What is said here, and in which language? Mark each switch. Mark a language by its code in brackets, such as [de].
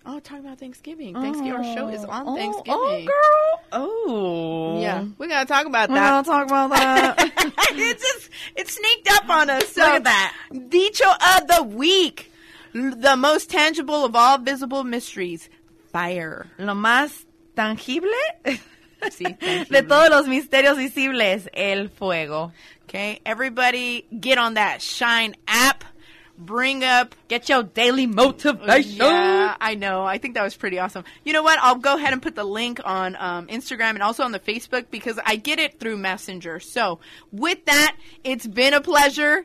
[en] Oh, talking about Thanksgiving. Our show is on Thanksgiving. Oh, girl. Oh. Yeah. We got to talk about that. We got to talk about that. It sneaked up on us. So look at that. Dicho of the week. The most tangible of all visible mysteries. Fire. [es] Lo más tangible. Sí, de todos los misterios visibles. El fuego. [en] Okay. Everybody get on that Shine app. Bring up. Get your daily motivation. Yeah, I know. I think that was pretty awesome. You know what? I'll go ahead and put the link on Instagram and also on the Facebook because I get it through Messenger. So with that, it's been a pleasure.